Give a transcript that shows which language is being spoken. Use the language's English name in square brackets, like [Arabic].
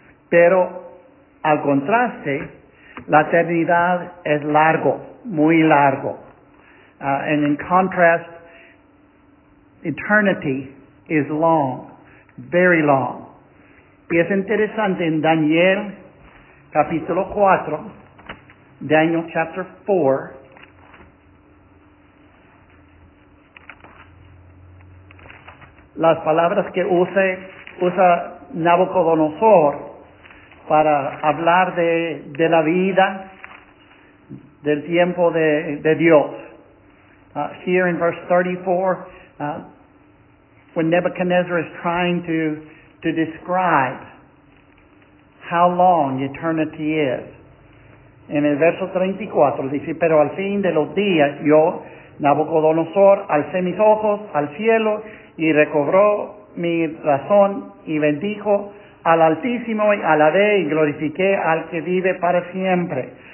[Spanish] Pero, al contraste, la eternidad es largo, muy largo. [English] And in contrast, eternity is long, very long. [Spanish] Y es interesante, en Daniel, capítulo 4, [English] Daniel chapter 4, [Spanish] las palabras que usa Nabucodonosor para hablar de la vida, del tiempo de Dios. [English] Here in verse 34, when Nebuchadnezzar is trying to describe how long eternity is. [Spanish] En el verso 34, dice, pero al fin de los días, yo, Nabucodonosor, alcé mis ojos al cielo y recobró mi razón y bendijo al Altísimo y alabé y glorifiqué al que vive para siempre.